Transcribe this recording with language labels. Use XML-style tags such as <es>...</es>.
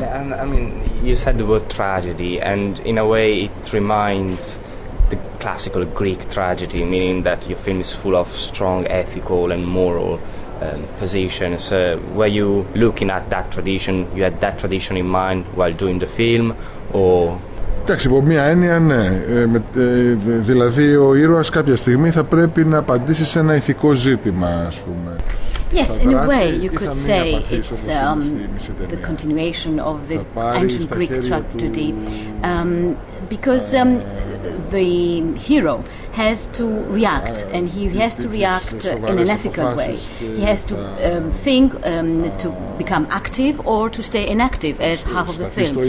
<en>Yeah, and I mean, you said the word tragedy, and in a way it reminds the classical Greek tragedy, meaning that your film is full of strong ethical and moral position. So were you looking at that tradition? You had that tradition in mind while doing the film, or?</en> <el>Εντάξει, από μία έννοια, ναι. Δηλαδή, ο ήρωας κάποια στιγμή θα πρέπει να απαντήσει σε ένα ηθικό ζήτημα, ας πούμε.</el> <en>Yes, in a way, you could say it's the continuation of the ancient Greek tragedy, because the hero has to react, and he has to react in an ethical way. He has to think to become active or to stay inactive, as half of the film.</en>